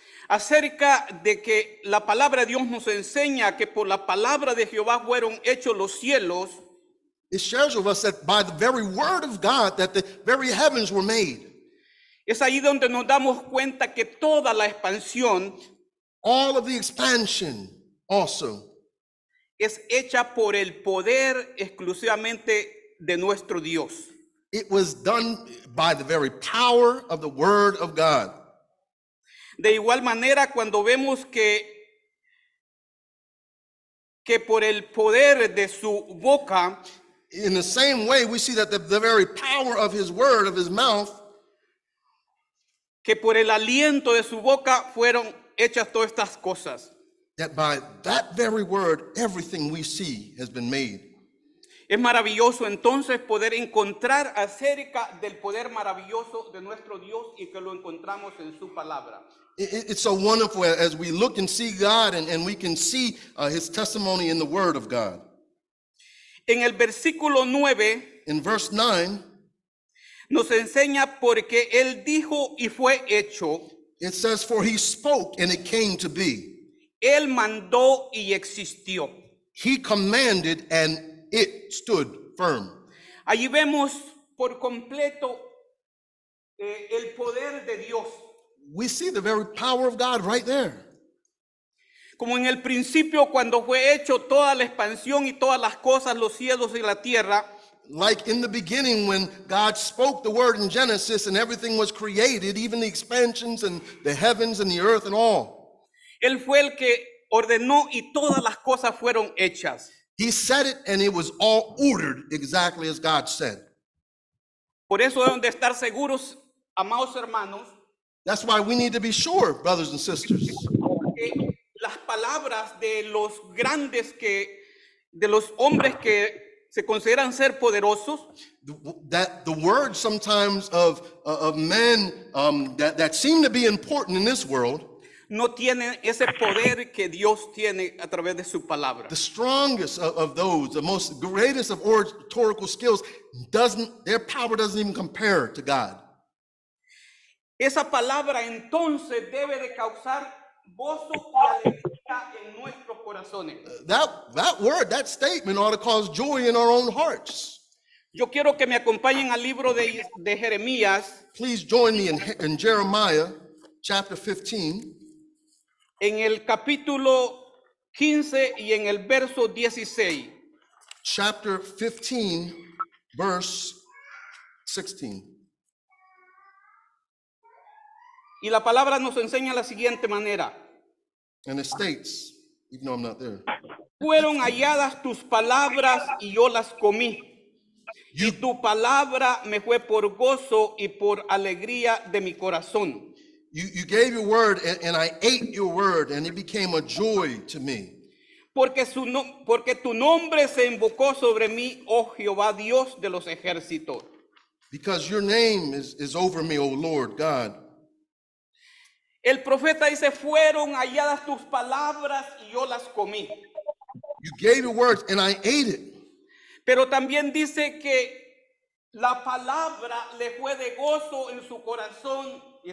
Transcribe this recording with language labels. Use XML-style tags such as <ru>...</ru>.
<es>Acerca de que la palabra de Dios nos enseña que por la palabra de Jehová fueron hechos los cielos.</es> <en>It shares with us that by the very word of God that the very heavens were made.</en> <es>Es ahí donde nos damos cuenta que toda la expansión.</es> <en>All of the expansion also.</en> <es>Es hecha por el poder exclusivamente de nuestro Dios.</es> <en>It was done by the very power of the word of God.</en> <es>De igual manera, cuando vemos que por el poder de su boca,</es> <en>in the same way we see that the very power of his word, of his mouth,</en> <es>que por el aliento de su boca fueron hechas todas estas cosas.</es> <en>That by that very word, everything we see has been made.</en> <es>Es maravilloso entonces poder encontrar acerca del poder maravilloso de nuestro Dios y que lo encontramos en su palabra.</es> <en>It's so wonderful as we look and see God and we can see his testimony in the word of God.</en> <es>En el versículo 9,</es> <en>in verse 9,</en> <es>nos enseña porque él dijo y fue hecho.</es> <en>It says, for he spoke and it came to be.</en> <es>Él mandó y existió.</es> <en>He commanded and it stood firm.</en> <es>Allí vemos por completo el poder de Dios.</es> <en>We see the very power of God right there.</en> <es>Como en el principio cuando fue hecho toda la expansión y todas las cosas, los cielos y la tierra.</es> <en>Like in the beginning when God spoke the word in Genesis and everything was created, even the expansions and the heavens and the earth and all.</en> <es>Él fue el que ordenó y todas las cosas fueron hechas.</es> <en>He said it and it was all ordered exactly as God said.</en> <es>Por eso deben de estar seguros, amados hermanos.</es> <en>That's why we need to be sure, brothers and sisters.</en> <es>Porque las palabras de los grandes que, de los hombres que se consideran ser poderosos.</es> <en>That the words sometimes of men that seem to be important in this world.</en> <es>No tiene ese poder que Dios tiene a través de su palabra.</es> <en>The strongest of those, the most greatest of oratorical skills, their power doesn't even compare to God.</en> <es>Esa palabra entonces debe de causar gozo y alegría en nuestros corazones.</es> <en>That word, that statement ought to cause joy in our own hearts.</en> <es>Yo quiero que me acompañen al libro de Jeremías.</es> <en>Please join me in Jeremiah chapter 15.</en> <es>En el capítulo 15 y en el verso 16.</es> <en>Chapter 15, verse 16.</en> <es>Y la palabra nos enseña la siguiente manera.</es> <en>And it states, even though I'm not there.</en> <es>Fueron halladas tus palabras y yo las comí. Y tu palabra me fue por gozo y por alegría de mi corazón.</es> <en>You gave your word and I ate your word and it became a joy to me.</en> <es>Porque tu nombre se invocó sobre mí, oh Jehová Dios de los ejércitos.</es> <en>Because your name is over me, oh Lord God.</en> <es>El profeta dice, fueron halladas tus palabras y yo las comí.</es> <en>You gave your word and I ate it.</en> <es>Pero también dice que la palabra le fue de gozo en su corazón.</es>